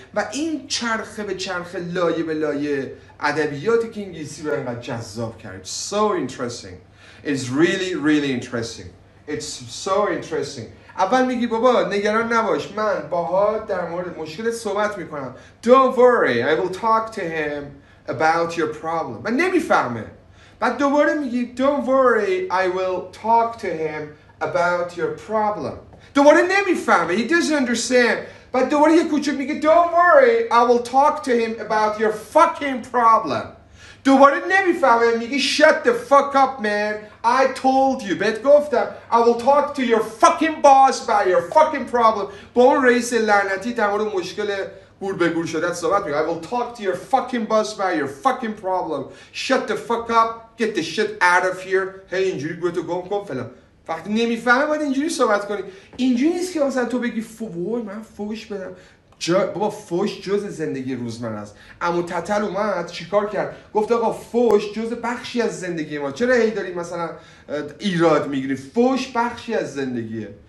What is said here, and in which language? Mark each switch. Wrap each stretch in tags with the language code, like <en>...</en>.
<fa>و این چرخه به چرخه، لایه به لایه ادبیات که انگلیسی رو اینقدر جذاب کرد.</fa> <en>So interesting. It's really really interesting. It's so interesting.</en> <fa>اول میگی بابا نگران نباش، من باهات در مورد مشکلت صحبت میکنم.</fa> <en>Don't worry, I will talk to him about your problem.</en> <fa>من نمیفهمه. بعد دوباره میگی</fa> <en>Don't worry, I will talk to him about your problem.</en> <fa>دوباره نمیفهمه.</fa> <en>He doesn't understand.</en> <fa>بعد دوباره یک کوچه میگی</fa> <en>Don't worry, I will talk to him about your fucking problem.</en> <fa>دوباره نمیفهمه. میگی</fa> <en>shut the fuck up man, I told you.</en> <fa>بهت گفتم</fa> <en>I will talk to your fucking boss about your fucking problem.</en> <fa>با اون رئیس لعنتی در مورد مشکل گور به گور شدت صحبت میکنم.</fa> <en>I will talk to your fucking boss about your fucking problem. Shut the fuck up, get the shit out of here.</en> <fa>هی اینجوری گوه تو گم کن فلان. وقتی نمیفهمه باید اینجوری صحبت کنی. اینجوری نیست که مثلا تو بگی وای من فوش بدم. بابا فوش جز زندگی روزمره است. عمو تتل اومد چیکار کرد؟ گفت آقا فوش جز بخشی از زندگی ما. چرا هی داری مثلا ایراد میگیری؟ فوش بخشی از زندگیه.</fa>